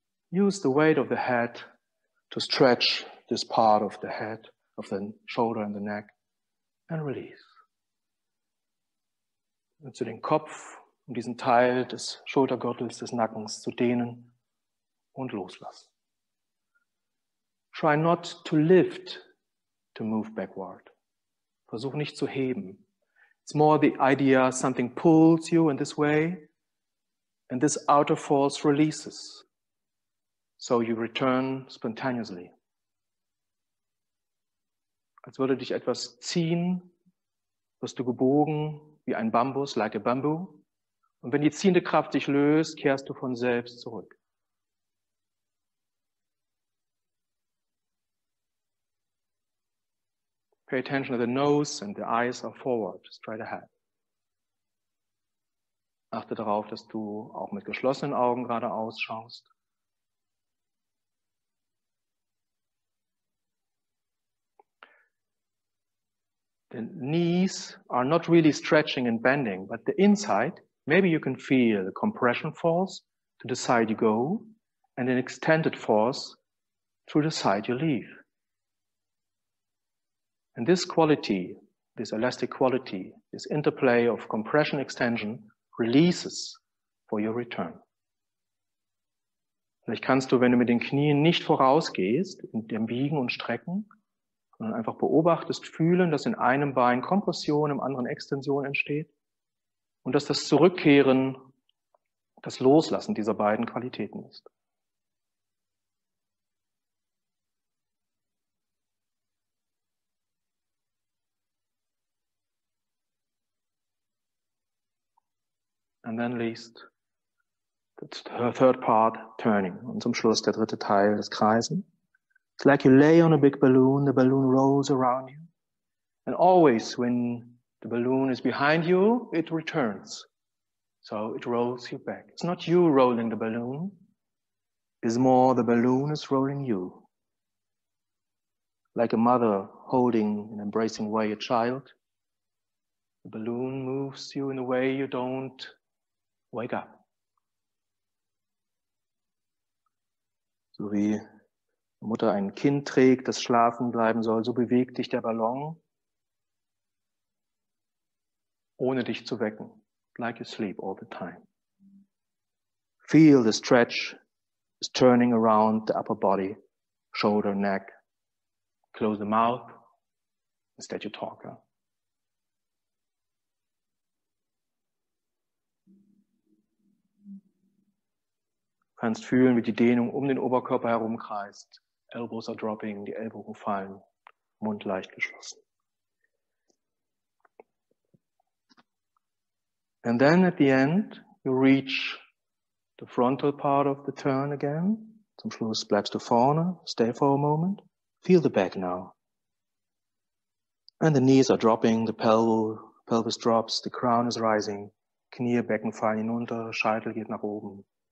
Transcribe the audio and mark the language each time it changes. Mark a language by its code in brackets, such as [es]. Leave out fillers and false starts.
[en] Use the weight of the head to stretch this part of the head, of the shoulder and the neck, and release. [de] Und zu den Kopf, um diesen Teil des Schultergürtels, des Nackens zu dehnen und loslassen. [en] Try not to lift to move backward. [de] Versuch nicht zu heben. [en] It's more the idea something pulls you in this way and this outer force releases. So you return spontaneously. [de] Als würde dich etwas ziehen, wirst du gebogen wie ein Bambus, [en] like a bamboo. [de] Und wenn die ziehende Kraft dich löst, kehrst du von selbst zurück. [en] Pay attention to the nose and the eyes are forward, straight ahead. [de] Achte darauf, dass du auch mit geschlossenen Augen geradeaus schaust. [en] The knees are not really stretching and bending, but the inside, maybe you can feel the compression force to the side you go and an extended force through the side you leave. And this quality, this elastic quality, this interplay of compression extension releases for your return. [de] Vielleicht kannst du, wenn du mit den Knien nicht vorausgehst, in dem Biegen und Strecken, und einfach beobachtest, fühlen, dass in einem Bein Kompression, im anderen Extension entsteht und dass das Zurückkehren, das Loslassen dieser beiden Qualitäten ist. [en] And then least, that's the third part, turning. [de] Und zum Schluss der dritte Teil des Kreisen. [en] It's like you lay on a big balloon, the balloon rolls around you. And always when the balloon is behind you, it returns. So it rolls you back. It's not you rolling the balloon. It's more the balloon is rolling you. Like a mother holding and embracing away a child, the balloon moves you in a way you don't wake up. [de] So wie Mutter ein Kind trägt, das schlafen bleiben soll, so bewegt dich der Ballon, ohne dich zu wecken, [en] like you sleep all the time. Feel the stretch is turning around the upper body, shoulder, neck. Close the mouth, instead you talk. [de] Du kannst fühlen, wie die Dehnung um den Oberkörper herumkreist. [en] Elbows are dropping, [de] die Ellbogen fallen, Mund leicht geschlossen. [en] And then at the end, you reach the frontal part of the turn again. [de] Zum Schluss bleibst du vorne, [en] stay for a moment. Feel the back now. And the knees are dropping, the pelvis drops, the crown is rising. [de] Knie, Becken fallen hinunter, Scheitel geht nach oben.